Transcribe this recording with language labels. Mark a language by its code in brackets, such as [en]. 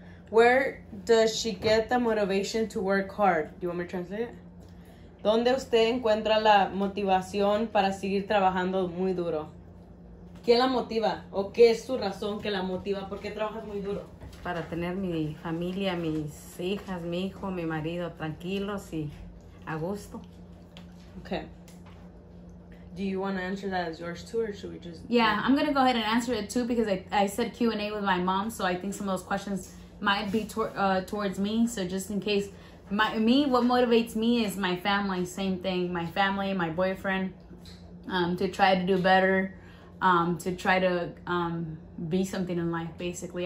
[en] Where does she get the motivation to work hard? Do you want me to translate it? [es] ¿Dónde usted encuentra la motivación para seguir trabajando muy duro? ¿Quién la motiva? ¿O qué es su razón que la motiva? ¿Por qué trabajas muy duro? Para tener mi familia, mis hijas, mi hijo, mi marido tranquilos y a gusto. [en] Okay. Do you want to answer that as yours too, or should we just... Yeah, I'm going to go ahead and answer it too because I said Q&A with my mom, so I think some of those questions might be towards me. So just in case, what motivates me is my family, same thing. My family, my boyfriend, to try to do better, to try to be something in life, basically.